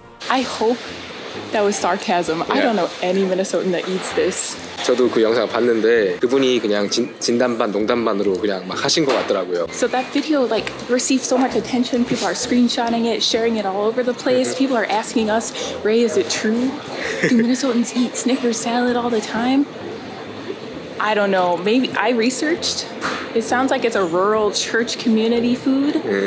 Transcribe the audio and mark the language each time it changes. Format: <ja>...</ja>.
<en>I hope that was sarcasm. Yeah. I don't know any Minnesotan that eats this.</en> <ko>저도 그 영상 봤는데 그분이 그냥 진담반 농담반으로 그냥 막 하신 것 같더라고요.</ko> <en>So that video like received so much attention. People are screenshotting it, sharing it all over the place. People are asking us, Ray, is it true? Do Minnesotans eat Snickers salad all the time? I don't know. Maybe I researched. It sounds like it's a rural church community food.</en>